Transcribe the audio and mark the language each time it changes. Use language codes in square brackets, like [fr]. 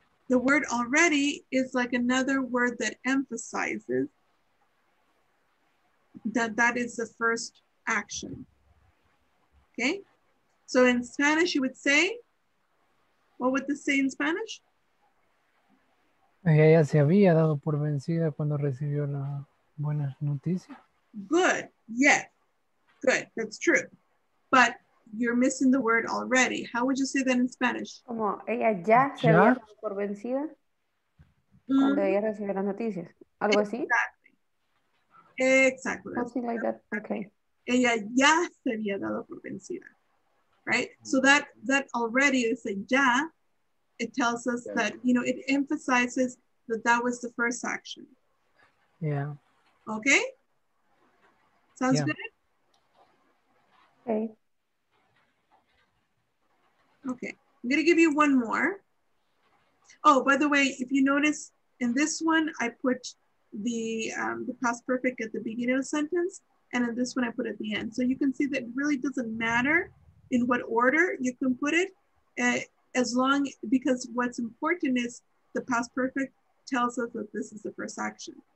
[en] The word already is like another word that emphasizes that that is the first action, okay? So in Spanish, you would say, what would this say in Spanish? [es] Ella se había dado por vencida cuando recibió la buena noticia. [en] Good. Yeah, good, that's true. But you're missing the word already. How would you say that in Spanish? [es] Como ella ya se había dado por vencida cuando ella recibió las noticias. Algo así? [en] Exactly. Something like that, okay. [es] Ella ya se había dado por vencida, right? [en] So that already is a ya. It tells us that, you know, it emphasizes that that was the first action. Yeah. Okay? Sounds good? Okay. Okay, I'm gonna give you one more. Oh, by the way, if you notice in this one, I put the past perfect at the beginning of the sentence, and in this one I put at the end. So you can see that it really doesn't matter in what order you can put it, as long, because what's important is the past perfect tells us that this is the first action.